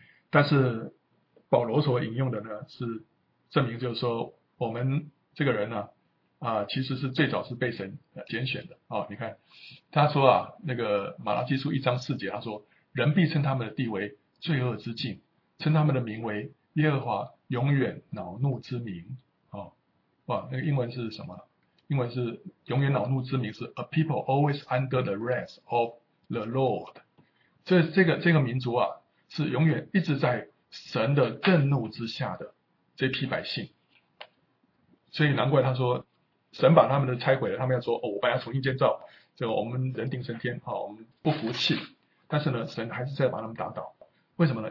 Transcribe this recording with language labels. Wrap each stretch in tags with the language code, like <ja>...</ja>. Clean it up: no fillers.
<zh>但是保罗所引用的呢，是证明就是说我们这个人呢、其实是最早是被神拣选的、哦、你看他说啊，那个马拉基书一章四节，他说人必称他们的地为罪恶之境，称他们的名为耶和华永远恼怒之名、哦、哇，那个英文是什么？英文是永远恼怒之名，是</zh> <en>A people always under the wrath of the Lord。</en> <zh>这个民族啊，是永远一直在神的震怒之下的这批百姓。所以难怪他说神把他们的拆毁了，他们要说、哦、我把他重新建造，这个我们人定胜天、哦、我们不服气，但是呢神还是在把他们打倒。为什么呢？</zh>